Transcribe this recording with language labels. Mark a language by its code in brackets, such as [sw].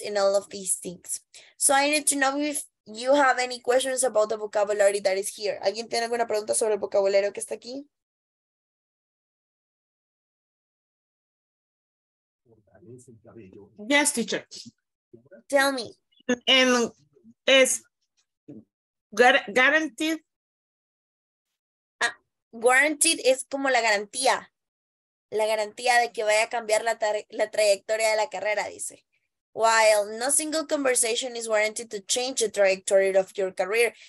[en] In all of these things. So I need to know if you have any questions about the vocabulary that is here. [es] ¿Alguien tiene alguna pregunta sobre el vocabulario que está aquí? [en] Yes, teacher. Tell me. And is guaranteed? [es] Guaranteed es como la garantía. La garantía de que vaya a cambiar la trayectoria de la carrera, dice. [en] While no single conversation is warranted to change the trajectory of your career.